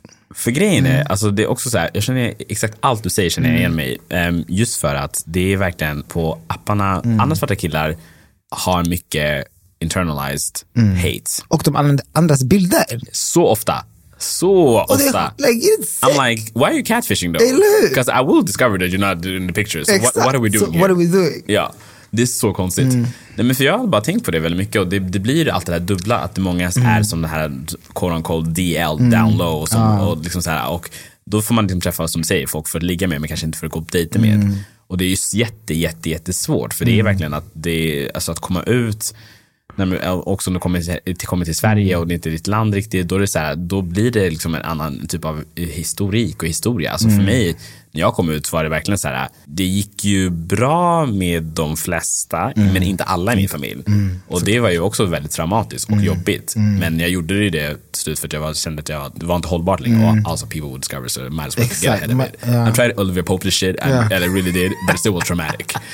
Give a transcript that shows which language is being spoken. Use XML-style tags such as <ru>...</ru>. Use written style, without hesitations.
<sv>För grejen är, alltså det är också så här, jag känner exakt allt du säger, känner jag igen mig. Just för att det är verkligen på apparna, andra svarta killar har mycket</sv> <en>internalized hate.</en> <sv>Och de använder andras bilder. Så ofta.</sv> <en>Like, I'm like, why are you catfishing though? Because I will discover that you're not in the pictures. What are we doing?</en> <sv>Ja, det är så konstigt. Nej, men för jag har bara tänkt på det väldigt mycket, och det blir allt det där dubbla, att många är som det här quote unquote DL, down low, och, som, och liksom så här, och då får man liksom träffa, som säger, folk för att ligga med, men kanske inte för att gå på dejter med. Och det är ju jättesvårt, för det är verkligen att det är, alltså att komma ut. Nej, men också om du kommer till Sverige och det inte är ditt land riktigt, då är det så här, då blir det liksom en annan typ av historik och historia. Alltså för mig, när jag kom ut, var det verkligen så här, det gick ju bra med de flesta, men inte alla i min familj. Och det var ju också väldigt traumatiskt och jobbigt. Men jag gjorde det i det slut, för att jag kände att det var inte hållbart längre. Alltså,</sv> <en>people would discover, so might as well get ahead of it. I tried Olivia Pope's shit, I really did, but it still was traumatic.</en>